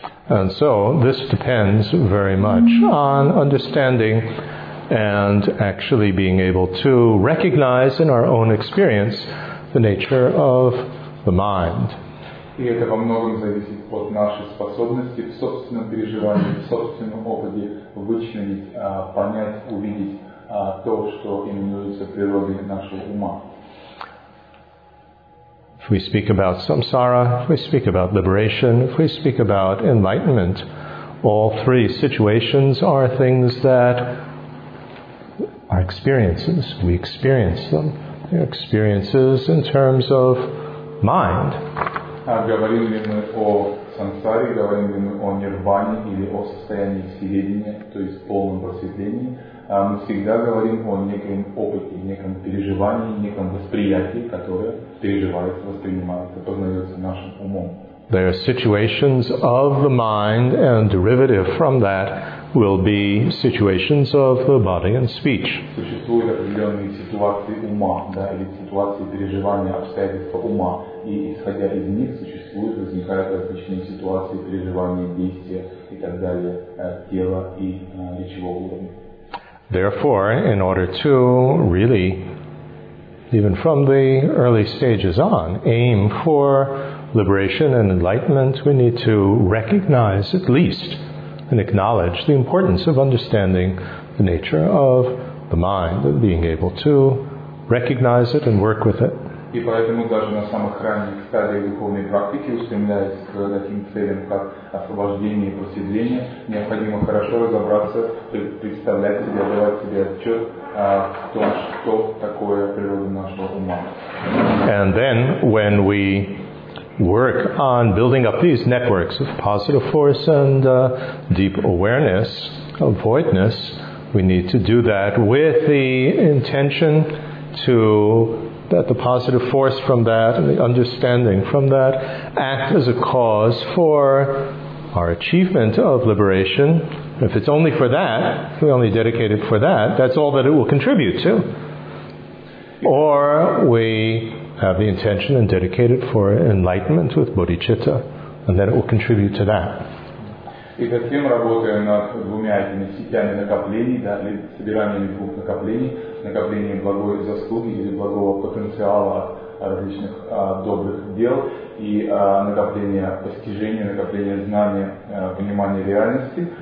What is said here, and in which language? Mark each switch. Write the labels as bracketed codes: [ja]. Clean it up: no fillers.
[en] And so this depends very much on understanding and actually being able to recognize in our own experience the nature of the mind. [ru] И это во многом зависит от нашей способности в собственном переживании, в собственном опыте вычленить, понять, увидеть то, что именуется природой нашего ума. [en] If we speak about samsara, if we speak about liberation, if we speak about enlightenment, all three situations are things that are experiences. We experience them. They're experiences in terms of mind. [ru] Говорим ли мы о сансаре, говорим ли мы о нирване или о состоянии середине, то есть полном просветлении, мы всегда говорим о неком опыте, неком переживании, неком восприятии, которое переживается, воспринимается, познается нашим умом. [en] There are situations of the mind, and derivative from that will be situations of the body and speech. [ru] Существуют определенные ситуации ума, да, или ситуации переживания, обстоятельства ума, и исходя из них существуют, возникают различные ситуации переживания, действия и так далее, тела и речевого уровня. [en] Therefore, in order to really, even from the early stages on, aim for liberation and enlightenment, we need to recognize at least and acknowledge the importance of understanding the nature of the mind, of being able to recognize it and work with it. [ru] И поэтому даже на самых ранних стадиях духовной практики, устремляясь к таким целям, как освобождение и просветление, необходимо хорошо разобраться, представлять себе, давать себе отчет в том, что такое природа нашего ума. [en] And then, when we work on building up these networks of positive force and deep awareness of voidness, we need to do that with the intention to that the positive force from that, the understanding from that, act as a cause for our achievement of liberation. If it's only for that, if we only dedicate it for that, that's all that it will contribute to. Or we have the intention and dedicate it for enlightenment with bodhicitta, and then it will contribute to that. [ru] И как тем работаем над двумя этими сетями накоплений, да, или собиранием двух накоплений, накоплением благой заслуги или благого потенциала различных добрых дел и накопление постижения, накопление знания, понимания реальности.